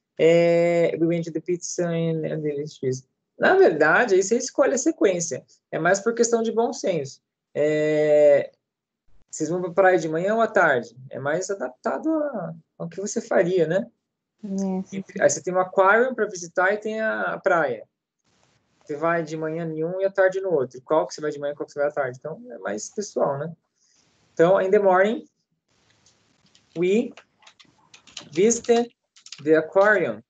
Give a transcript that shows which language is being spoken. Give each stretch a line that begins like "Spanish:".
English: É, we went to the pizza and the cheese.
Portuguese: Na verdade, aí você escolhe a sequência. É mais por questão de bom senso. É, vocês vão para a praia de manhã ou à tarde? É mais adaptado ao que você faria, né?
English: Yes.
Portuguese: Aí você tem um aquário para visitar e tem a praia. Você vai de manhã em um e à tarde no outro. Qual que você vai de manhã e qual que você vai à tarde? Então, é mais pessoal, né?
English: Então, in the morning, we visited the aquarium.